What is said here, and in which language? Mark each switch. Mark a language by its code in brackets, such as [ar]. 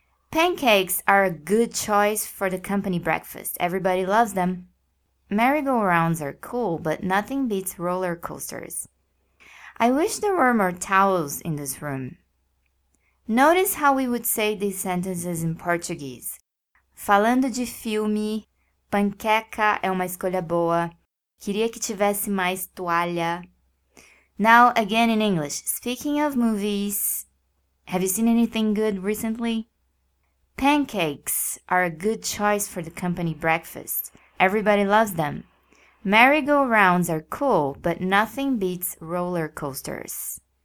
[en] Pancakes are a good choice for the company breakfast. Everybody loves them. Merry-go-rounds are cool, but nothing beats roller coasters. I wish there were more towels in this room. Notice how we would say these sentences in Portuguese. [pt] Falando de filme, panqueca é uma escolha boa. Queria que tivesse mais toalha. [en] Now, again in English. Speaking of movies, have you seen anything good recently? Pancakes are a good choice for the company breakfast. Everybody loves them. Merry-go-rounds are cool, but nothing beats roller coasters.